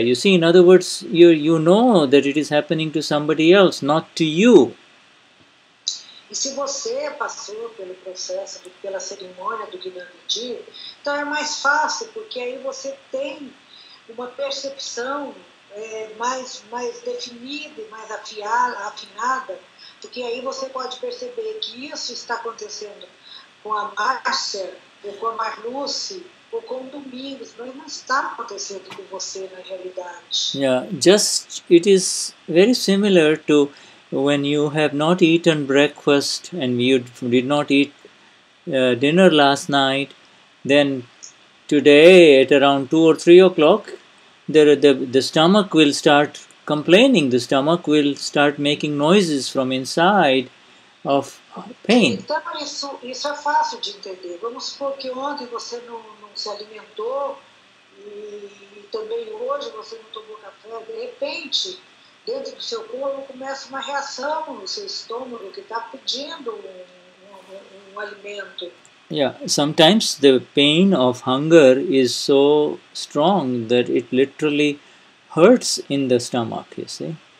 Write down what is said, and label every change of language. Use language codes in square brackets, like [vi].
[en] You see, in other words, you know that it is happening to somebody else, not to you. [pt] E se você passou pelo processo, pela cerimônia do Gnanvidhi, então é mais fácil, porque aí você tem uma percepção mais definida e mais afinada, porque aí você pode perceber que isso está acontecendo com a Márcia, ou com a Marluce, ou com o Domingos, mas não está acontecendo com você na realidade. [en] Yeah, just it is very similar to when you have not eaten breakfast and you did not eat dinner last night, then today at around 2 or 3 o'clock, the stomach will start complaining, the stomach will start making noises from inside of pain. [pt] Então, isso é fácil de entender. Vamos supor que ontem você não se alimentou e também hoje você não tomou café. De repente, dentro do seu corpo começa uma reação no seu estômago que está pedindo um alimento. [en] Yeah, sometimes the pain of hunger is so strong that it literally hurts in the stomach, you see.